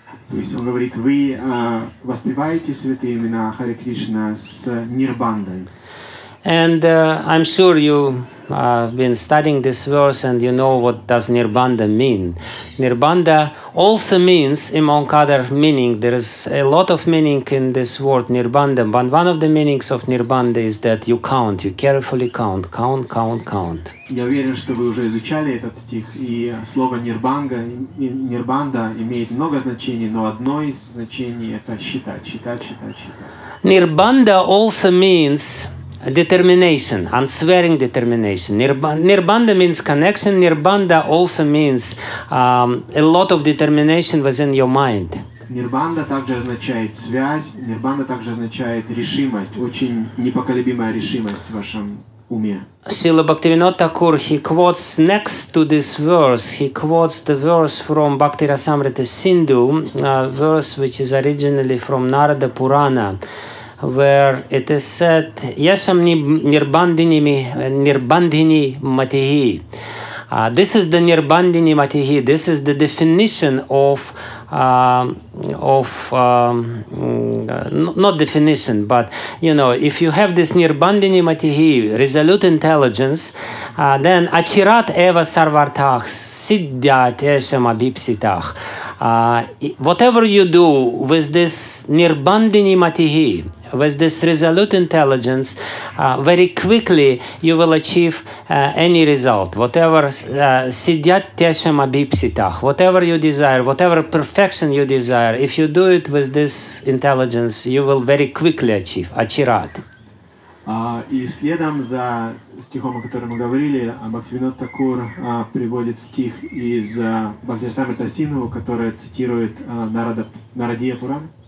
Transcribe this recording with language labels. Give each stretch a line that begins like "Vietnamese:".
Russian: То он говорит, вы воспеваете святые имена Харе Кришна с Нирбандой.
English: And I'm sure you have been studying this verse and you know what does Nirbanda mean. Nirbanda also means, among other meaning, there is a lot of meaning in this word Nirbanda, but one of the meanings of Nirbanda is that you count, you carefully count, count, count, count.
Russian: Я уверен, что вы уже изучали этот стих, и слово Нирбанга, Нирбанда имеет много значений, но одно из значений – это считать, считать, считать, считать.
English: Nirbanda also means determination, unswerving determination. Nirbanda means connection. Nirbanda also means a lot of determination within your mind.
Russian: Nirbanda также означает связь. Nirbanda также означает решимость, очень непоколебимая решимость в вашем уме.
English: Srila Bhaktivinoda Thakur, he quotes next to this verse, he quotes the verse from Bhakti Rasamrita Sindhu, a verse which is originally from Narada Purana, where it is said,
Sanskrit: Yasam Nirbandini Matihi.
English: This is the Nirbandini Matihi. This is the definition of if you have this Nirbandini Matihi, resolute intelligence, then
Sanskrit: Achirat Eva Sarvartah Siddhyat Yasam Abhipsitah.
English: Whatever you do with this Nirbandini Matihi, with this resolute intelligence, very quickly you will achieve any result. Whatever
Sanskrit: siddhyat tesham abhipsitah,
English: whatever you desire, whatever perfection you desire, if you do it with this intelligence, you will very quickly achieve achirat.
Russian: И следом за стихом, о котором мы говорили, Бхактивинода Такур приводит стих из Бхактисамрита Синдху, который цитирует Нарадия Пурана.